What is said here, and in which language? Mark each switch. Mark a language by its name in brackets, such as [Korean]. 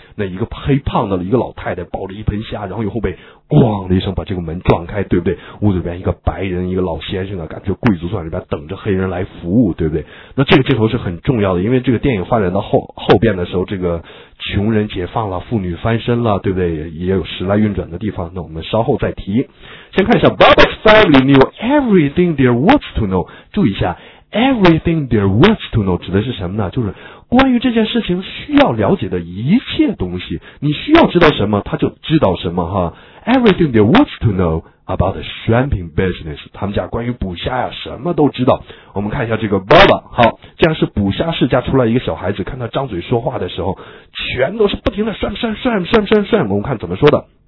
[Chinese] 那一个黑胖的一个老太太抱着一盆虾，然后以后被咣的一声把这个门撞开，对不对？屋子里边一个白人一个老先生啊，感觉贵族在里边等着黑人来服务，对不对？那这个镜头是很重要的，因为这个电影发展到后边的时候，这个穷人解放了，妇女翻身了，对不对？也有时来运转的地方，那我们稍后再提。先看一下 [English] Bob's family knew everything there was to know， [Chinese] 注意一下 [English] Everything there was to know [Chinese] 指的是什么呢？就是关于这件事情需要了解的一切东西，你需要知道什么他就知道什么哈。 [English] Everything there was to know about the shrimping business， [Chinese] 他们家关于捕虾呀什么都知道。我们看一下这个 Baba， 好，这样是捕虾世家出来一个小孩子，看他张嘴说话的时候全都是不停的 shrimp， 我们看怎么说的。